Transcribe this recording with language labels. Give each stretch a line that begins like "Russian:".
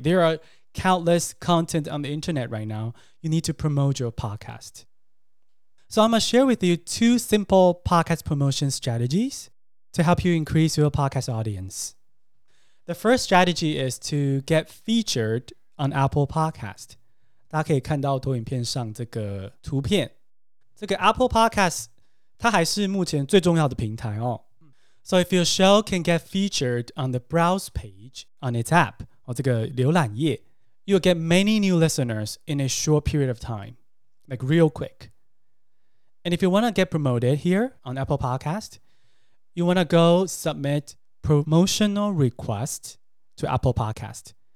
English: There are countless content on the internet right now. You need to promote your podcast. So I'm going to share with you two simple podcast promotion strategies to help you increase your podcast audience. The first strategy is to get featured on Apple Podcast.
Chinese: 大家可以看到投影片上这个图片。这个 Apple Podcast 它还是目前最重要的平台哦。
English: So if your show can get featured on the browse page on its app,
Chinese: 这个浏览页,
English: you'll get many new listeners in a short period of time, like real quick. And if you want to get promoted here on Apple Podcast, you want to go submit promotional request to Apple Podcast.